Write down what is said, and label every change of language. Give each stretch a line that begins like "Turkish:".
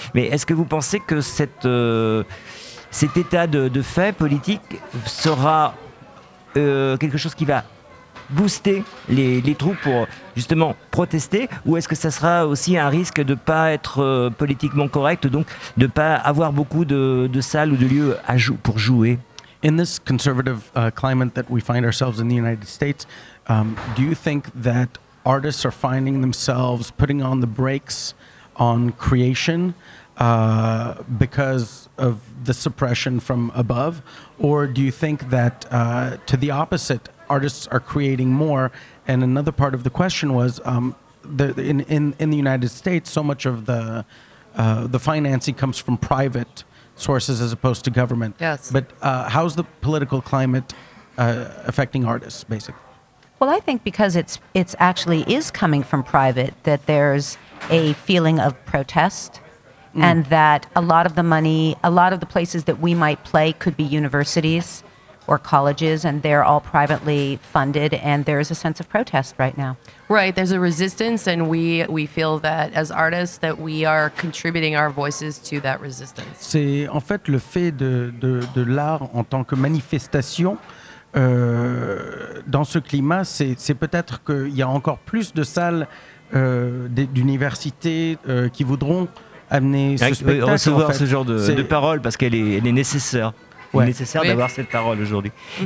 French: Mais est-ce que vous pensez que cet état de fait politique sera quelque chose qui va booster les troupes pour justement protester, ou est-ce que ça sera aussi un risque de ne pas être politiquement correct, donc de ne pas avoir beaucoup de salles ou de lieux pour jouer?
English: In this conservative climate that we find ourselves in the United States, do you think that artists are finding themselves putting on the brakes on creation because of the suppression from above, or do you think that to the opposite, artists are creating more? And another part of the question was in the United States, so much of the financing comes from private sources as opposed to government. Yes. But how's the political climate affecting artists, basically? Well, I think because it's actually is coming from private, that there's a feeling of protest and that a lot of the money, a lot of the places that we might play could be universities or colleges, and they're all privately funded, and there is a sense of protest right now. Right, there's a resistance, and we feel that as artists that we are contributing our voices to that resistance.
French: C'est en fait le fait de l'art en tant que manifestation dans ce climat, c'est peut-être qu'il y a encore plus de salles d'université qui voudront amener ce spectacle. Recevoir en fait ce genre de paroles parce qu'elle est nécessaire. Ouais. Il est nécessaire d'avoir cette parole aujourd'hui. Mm-hmm.